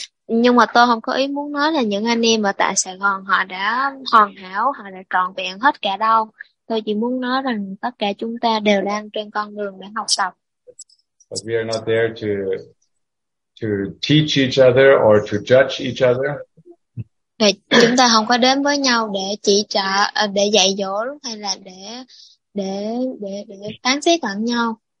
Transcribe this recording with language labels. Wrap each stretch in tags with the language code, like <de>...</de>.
<vi>Nhưng mà tôi không có ý muốn nói là những anh em ở tại Sài Gòn họ đã hoàn hảo, họ đã trọn vẹn hết cả đâu. Tôi chỉ muốn nói rằng tất cả chúng ta đều đang trên con đường để học tập.</vi> <en>But we are not there to teach each other or to judge each other.</en> <vi>Thì chúng ta không có đến với nhau để chỉ trợ, để dạy dỗ hay là để phán xét lẫn nhau.</vi>